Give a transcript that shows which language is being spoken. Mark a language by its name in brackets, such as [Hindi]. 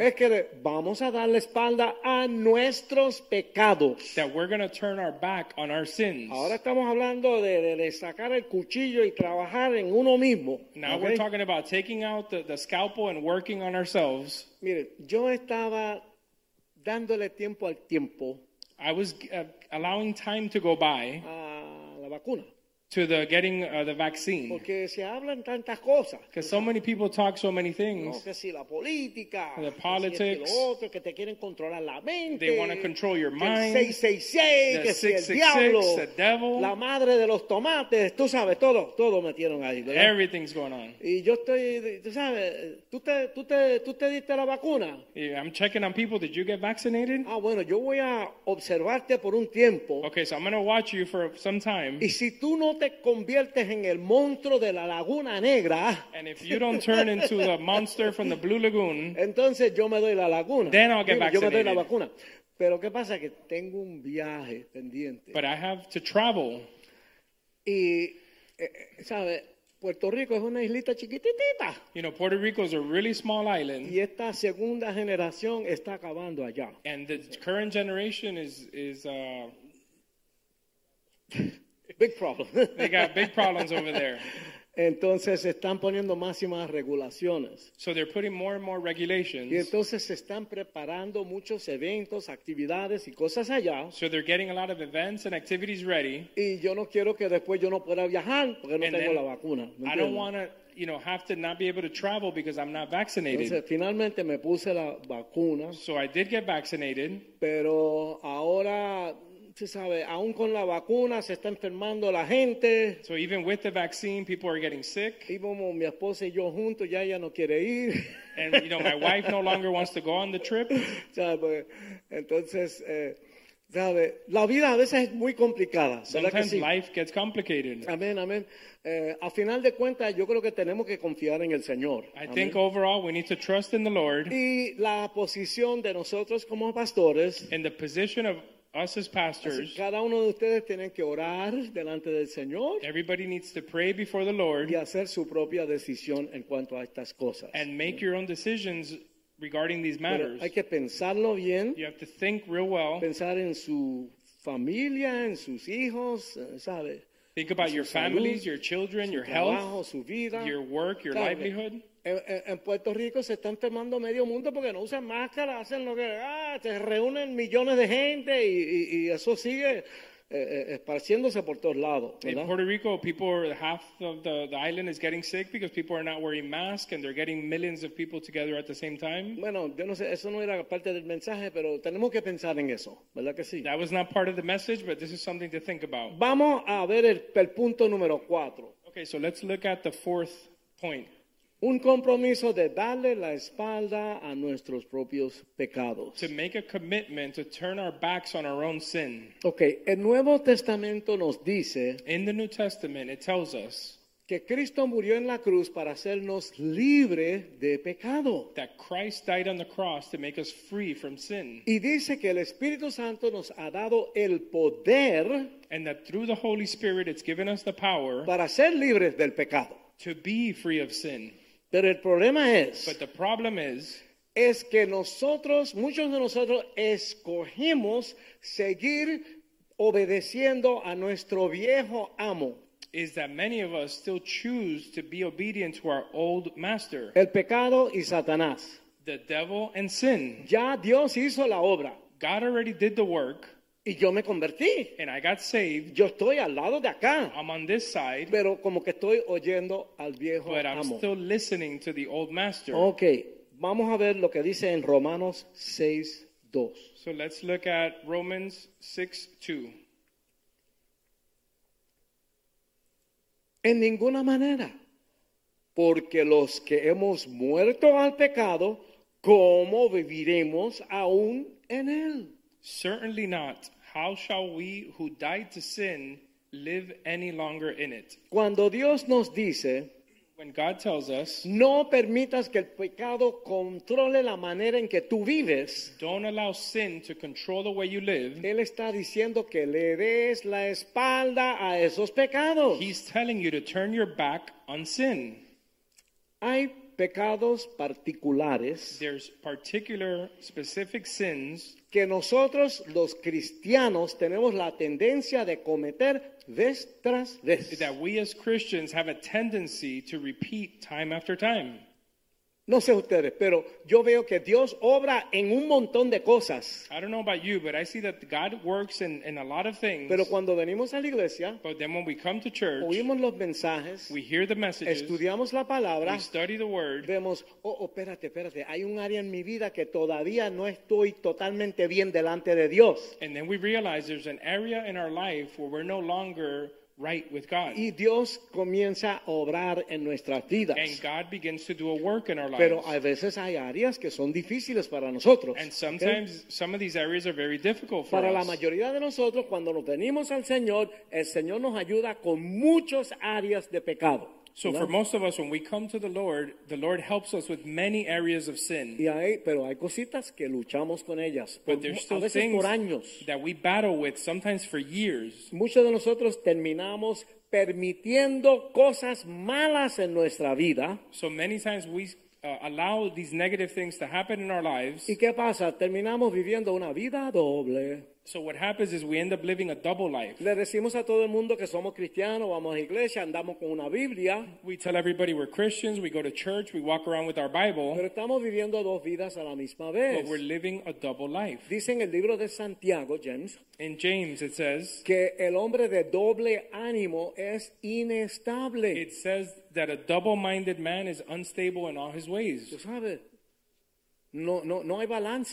[Spanish] Es que vamos a dar la espalda a nuestros pecados. [English] That we're going to turn our back on our sins. [Spanish] Ahora estamos hablando de sacar el cuchillo y trabajar en uno mismo. [English] Now we're talking about taking out the scalpel and working on ourselves. [Spanish] Mire, yo estaba dándole tiempo al tiempo. [English] I was allowing time to go by. [Spanish] La vacuna. [English] To the getting the vaccine. [Spanish] Porque se hablan tantas cosas. [English] Because so many people talk so many things. [Spanish] No, que si la política. [English] The politics. [Spanish] Que si otro, que te quieren controlar la mente. [English] They want to control your mind. [Spanish] 666, que si el diablo. [English] The devil. [Spanish] La madre de los tomates. Tú sabes, todo metieron ahí, ¿verdad? [English] Everything's going on. [Spanish] Y yo estoy, tú sabes, tú te diste la vacuna. [English] Yeah, I'm checking on people. Did you get vaccinated? [Spanish] Ah, bueno, yo voy a observarte por un tiempo. [English] Okay, so I'm going to watch you for some time. [Spanish] Y si tú no te conviertes en el monstruo de la laguna negra. [English] And if you don't turn into the monster from the Blue Lagoon. [Spanish] Entonces yo me doy la laguna. [English] Then I'll get vaccinated. [Spanish] Yo me doy la vacuna. Pero qué pasa que tengo un viaje pendiente. [English] But I have to travel. [Spanish] Y sabe, Puerto Rico es una islita chiquitita. [English] You know, Puerto Rico is a really small island. [Spanish] Y esta segunda generación está acabando allá. [English] And the current generation is big problem. They got big problems over there. [Spanish] Entonces están poniendo más y más regulaciones. [English] So they're putting more and more regulations. [Spanish] Y entonces se están preparando muchos eventos, actividades y cosas allá. [English] So they're getting a lot of events and activities ready. [Spanish] Y yo no quiero que después yo no pueda viajar porque no tengo la vacuna. [English] I don't want to, you know, have to not be able to travel because I'm not vaccinated. [Spanish] Entonces finalmente me puse la vacuna. [English] So I did get vaccinated. [Spanish] Pero ahora, se sabe, aún con la vacuna se está enfermando la gente. [English] So even with the vaccine, people are getting sick. [Spanish] Íbamos mi esposa y yo juntos, ya ella no quiere ir. [English] And, you know, my wife no longer wants to go on the trip. [Spanish] Entonces, sabe, la vida a veces es muy complicada. [English] Sometimes life gets complicated. [Spanish] Amén. A final de cuentas, yo creo que tenemos que confiar en el Señor. [English] I think overall we need to trust in the Lord. [Spanish] Y la posición de nosotros como pastores. [English] And the position of us as pastors. [Spanish] Así, cada uno de ustedes tienen que orar delante del Señor. [English] Everybody needs to pray before the Lord. [Spanish] Y hacer su propia decisión en cuanto a estas cosas. [English] And make your own decisions regarding these matters. [Spanish] Pero hay que pensarlo bien. [English] You have to think real well. [Spanish] Pensar en su familia, en sus hijos, ¿sabe? [English] Think about your families, your children, your [Spanish] trabajo, [English] health, [Spanish] su vida, [English] your work, your livelihood. [Spanish] En Puerto Rico se están quemando medio mundo porque no usan máscara, hacen lo que se reúnen millones de gente y eso sigue esparciéndose por todos lados. [English] In Puerto Rico, half of the island is getting sick because people are not wearing masks and they're getting millions of people together at the same time. [Spanish] Bueno, yo no sé, eso no era parte del mensaje, pero tenemos que pensar en eso, ¿verdad que sí? [English] That was not part of the message, but this is something to think about. [Spanish] Vamos a ver el punto número cuatro. [English] Okay, so let's look at the fourth point. [Spanish] Un compromiso de darle la espalda a nuestros propios pecados. [English] To make a commitment to turn our backs on our own sin. [Spanish] Okay, el Nuevo Testamento nos dice. [English] In the New Testament, it tells us. [Spanish] Que Cristo murió en la cruz para hacernos libre de pecado. [English] That Christ died on the cross to make us free from sin. [Spanish] Y dice que el Espíritu Santo nos ha dado el poder. [English] And that through the Holy Spirit it's given us the power. [Spanish] Para ser libres del pecado. [English] To be free of sin. [Spanish] Pero el problema es. [English] But the problem is. [Spanish] Es que nosotros, muchos de nosotros, escogimos seguir obedeciendo a nuestro viejo amo. [English] Is that many of us still choose to be obedient to our old master. [Spanish] El pecado y Satanás. [English] The devil and sin. [Spanish] Ya Dios hizo la obra. [English] God already did the work. [Spanish] Y yo me convertí. [English] And I got saved. [Spanish] Yo estoy al lado de acá. [English] I'm on this side. [Spanish] Pero como que estoy oyendo al viejo [English] but I'm [Spanish] amo. [English] Still listening to the old master. Okay. [Spanish] Vamos a ver lo que dice en Romanos 6:2. [English] So let's look at Romans 6:2. [Spanish] En ninguna manera, porque los que hemos muerto al pecado, ¿cómo viviremos aún en él? [English] Certainly not. How shall we who died to sin live any longer in it? [Spanish] Cuando Dios nos dice, [English] when God tells us, [Spanish] no permitas que el pecado controle la manera en que tú vives, [English] don't allow sin to control the way you live, [Spanish] él está diciendo que le des la espalda a esos pecados. [English] He's telling you to turn your back on sin. [Spanish] Hay pecados particulares, [English] there's particular specific sins, [Spanish] que nosotros los cristianos tenemos la tendencia de cometer vez tras vez. [English] That we as Christians have a tendency to repeat time after time. [Spanish] No sé ustedes, pero yo veo que Dios obra en un montón de cosas. [English] I don't know about you, but I see that God works in a lot of things. [Spanish] Pero cuando venimos a la iglesia, [English] but then when we come to church, [Spanish] oímos los mensajes, [English] we hear the messages, [Spanish] estudiamos la palabra, [English] we study the word, [Spanish] vemos, espérate, hay un área en mi vida que todavía no estoy totalmente bien delante de Dios. [English] And then we realize there's an area in our life where we're no longer right with God. [Spanish] Y Dios comienza a obrar en nuestras vidas. [English] And God begins to do a work in our lives. [Spanish] Pero a veces hay áreas que son difíciles para nosotros. [English] And sometimes, okay? Some of these areas are very difficult for [Spanish] para [English] us. [Spanish] Para la mayoría de nosotros, cuando nos venimos al Señor, el Señor nos ayuda con muchas áreas de pecado. [English] So for most of us, when we come to the Lord helps us with many areas of sin. [Spanish] Y hay, pero hay cositas que luchamos con ellas. [English] But there's still things that we battle with, sometimes for years. [Spanish] Muchos de nosotros terminamos permitiendo cosas malas en nuestra vida. [English] So many times we allow these negative things to happen in our lives. [Spanish] ¿Y qué pasa? Terminamos viviendo una vida doble. [English] So what happens is we end up living a double life. [Spanish] Le decimos a todo el mundo que somos cristianos, vamos a iglesia, andamos con una Biblia. [English] We tell everybody we're Christians, we go to church, we walk around with our Bible. [Spanish] Pero estamos viviendo dos vidas a la misma vez. [English] But we're living a double life. [Spanish] Dice en el libro de Santiago, James. [English] In James it says. [Spanish] Que el hombre de doble ánimo es inestable. [English] It says that a double-minded man is unstable in all his ways. [Spanish] ¿Tú sabes? No hay balance.